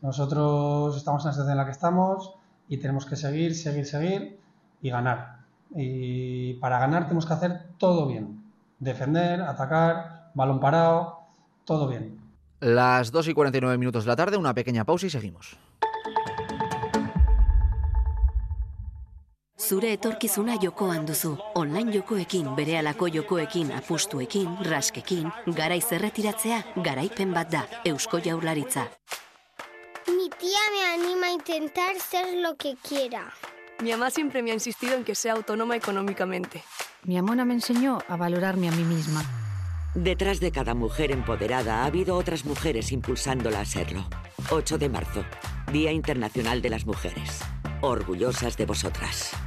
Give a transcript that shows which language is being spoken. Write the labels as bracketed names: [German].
[Spanish] Nosotros estamos en la situación en la que estamos y tenemos que seguir y ganar. Y para ganar tenemos que hacer todo bien, defender, atacar, balón parado. Todo bien. Las 2:49 minutos de la tarde, una pequeña pausa y seguimos. [Basque] Zure etorkizuna jokoan duzu. Online jokoekin, berehalako jokoekin, apustuekin, raskekin, garaiz erretiratzea, garaipen bat da. Eusko Jaurlaritza. [Spanish] Mi tía me anima a intentar ser lo que quiera. Mi mamá siempre me ha insistido en que sea autónoma económicamente. Mi amona me enseñó a valorarme a mí misma. Detrás de cada mujer empoderada ha habido otras mujeres impulsándola a serlo. 8 de marzo, Día Internacional de las Mujeres. Orgullosas de vosotras.